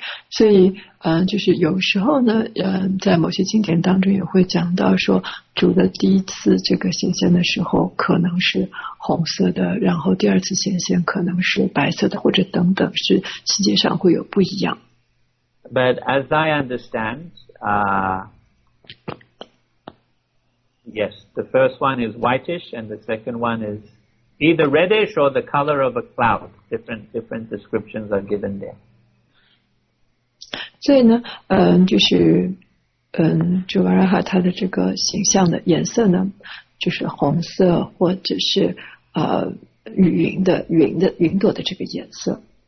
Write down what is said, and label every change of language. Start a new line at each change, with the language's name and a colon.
Chinese: 所以就是有时候呢在某些经典当中也会讲到说主的第一次这个显现的时候可能是红色的然后第二次显现可能是白色的或者等等是细节上会有不一样。
English: But as I understand, yes, the first one is whitish and the second one is either reddish or the color of a cloud. Different descriptions are given there.
Chinese: 所以呢就是朱瓦拉哈他的这个形象的颜色呢就是红色或者是云朵的这个颜色。